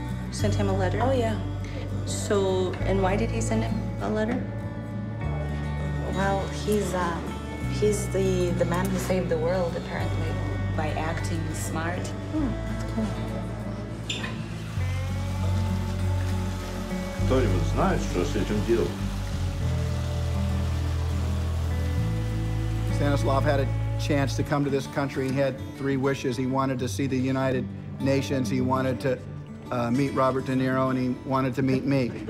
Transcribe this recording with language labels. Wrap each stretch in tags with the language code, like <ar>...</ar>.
<en>Sent him a letter? Oh, yeah. So, and why did he send him a letter? Well, he's the man who saved the world, apparently, by acting smart. Hmm, cool.</en> <ru>Кто-нибудь знает, что с этим делал?</ru> <en>Stanislav had a chance to come to this country. He had three wishes. He wanted to see the United Nations. He wanted to meet Robert De Niro, and he wanted to meet me.</en>